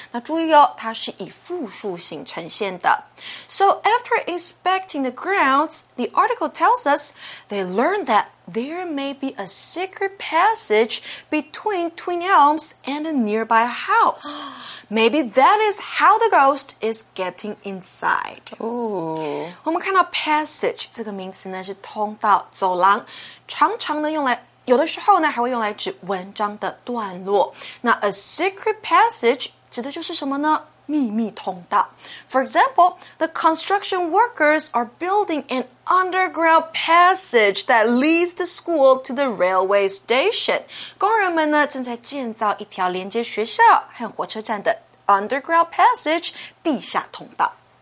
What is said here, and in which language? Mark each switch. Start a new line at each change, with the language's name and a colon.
Chinese: 那注意哦，它是以复数形呈现的。
English: So after inspecting the grounds, the article tells us they learned thatThere may be a secret passage between Twin Elms and a nearby house. Maybe that is how the ghost is getting inside. Ooh.
Chinese: 我们看到 passage 这个名词呢是通道、走廊，常常呢用来，有的时候呢还会用来指文章的段落。那 a secret passage 指的就是什么呢？秘密通道。
English: For example, the construction workers are building an underground passage that leads the school to the railway station.
Chinese: 工人们呢正在建造一条连接学校和火车站的 underground passage, 地下通道。